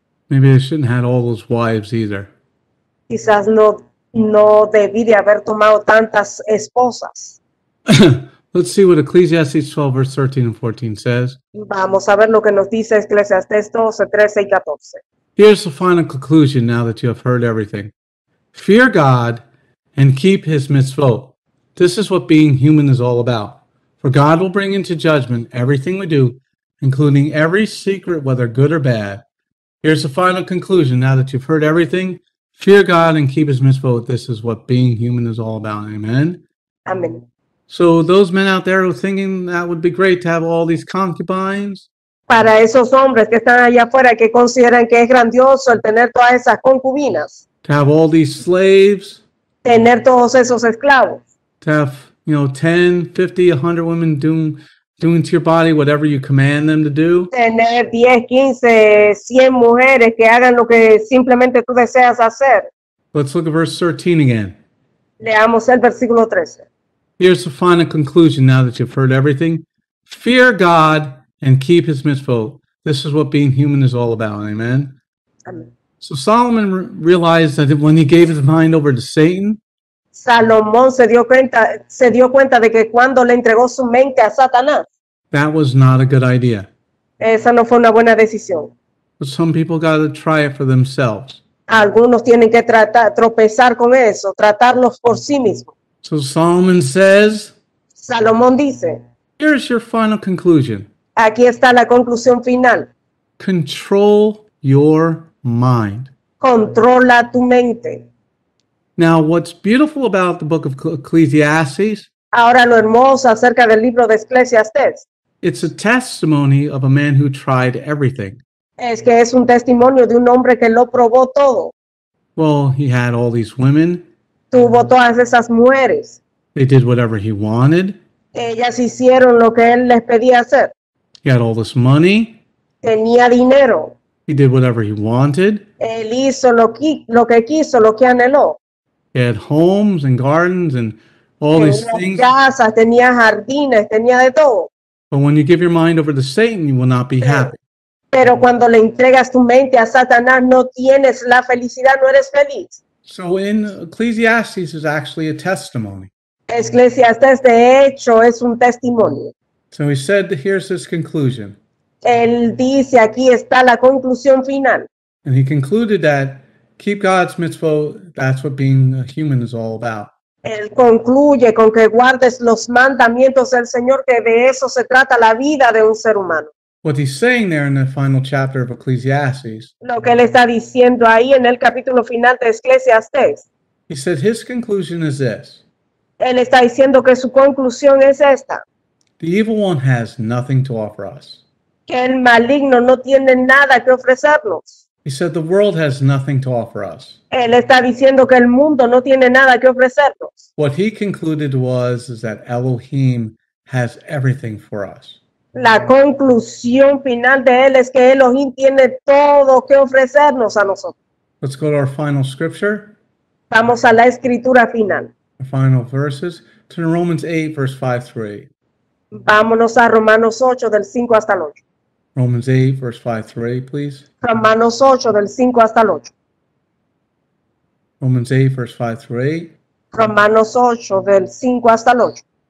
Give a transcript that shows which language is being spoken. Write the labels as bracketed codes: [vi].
[en] Maybe I shouldn't have all those wives either. [es] Quizás no debí de haber tomado tantas esposas. [en] Let's see what Ecclesiastes 12, verse 13 and 14 says. [es] Vamos a ver lo que nos dice Ecclesiastes 12, 13 y 14. [en] Here's the final conclusion now that you have heard everything. Fear God and keep his mitzvot. This is what being human is all about. For God will bring into judgment everything we do, including every secret, whether good or bad. Here's the final conclusion now that you've heard everything. Fear God and keep his mitzvot. This is what being human is all about. Amen? Amen. So those men out there who are thinking that would be great to have all these concubines. [es] Para esos hombres que están allá afuera que consideran que es grandioso el tener todas esas concubinas. [en] To have all these slaves. [es] Tener todos esos esclavos. [en] To have, 10, 50, 100 women doing to your body whatever you command them to do. [es] Tener 10, 15, 100 mujeres que hagan lo que simplemente tú deseas hacer. [en] Let's look at verse 13 again. [es] Leamos el versículo 13. [en] Here's the final conclusion now that you've heard everything. Fear God and keep his mitzvot. This is what being human is all about. Amen? Amen. So Solomon realized that when he gave his mind over to Satan. [es] Salomón se dio cuenta de que cuando le entregó su mente a Satanás. [en] That was not a good idea. [es] Esa no fue una buena decisión. [en] But some people got to try it for themselves. [es] Algunos tienen que tratar, tropezar con eso, tratarlos por sí mismos. [en] So Solomon says. [es] Salomón dice. [en] Here's your final conclusion. [es] Aquí está la conclusión final. [en] Control your mind. [es] Controla tu mente. [en] Now, what's beautiful about the book of Ecclesiastes? [es] Ahora lo hermoso acerca del libro de Eclesiastés. [en] It's a testimony of a man who tried everything. [es] Es que es un testimonio de un hombre que lo probó todo. [en] Well, he had all these women. [es] Tuvo todas esas mujeres. [en] They did whatever he wanted. [es] Ellas hicieron lo que él les pedía hacer. [en] He had all this money. [es] Tenía dinero. [en] He did whatever he wanted. [es] Él hizo lo que quiso, lo que anheló. [en] He had homes and gardens and all these things. [es] Casas, tenía jardines, tenía de todo. [en] But when you give your mind over to Satan, you will not be happy. [es] Pero cuando le entregas tu mente a Satanás, no tienes la felicidad, no eres feliz. [en] So in Ecclesiastes is actually a testimony. [es] Eclesiastes, de hecho, es un testimonio. [en] So he said, here's his conclusion. [es] Él dice, aquí está la conclusión final. [en] And he concluded that, keep God's mitzvah, that's what being a human is all about. [es] Él concluye con que guardes los mandamientos del Señor, que de eso se trata la vida de un ser humano. [en] What he's saying there in the final chapter of Ecclesiastes. [es] Lo que él está diciendo ahí en el capítulo final de Eclesiastes. [en] He said his conclusion is this. [es] Él está diciendo que su conclusión es esta. [en] The evil one has nothing to offer us. [es] Que el maligno no tiene nada que ofrecernos. [en] He said the world has nothing to offer us. [es] Él está diciendo que el mundo no tiene nada que ofrecernos. [en] What he concluded was is that Elohim has everything for us. [es] La conclusión final de él es que Elohim tiene todo que ofrecernos a nosotros. [en] Let's go to our final scripture. [es] Vamos a la escritura final. [en] Our final verses. Turn to Romans 8, verse 5 through 8. [es] Vámonos a Romanos 8, del 5 hasta el 8. [en] Romans 8, verse 5 through 8, please. [es] Romanos 8, del 5 hasta el 8. [en] Romans 8, verse 5 through 8. [es] Romanos 8, del 5 hasta el 8.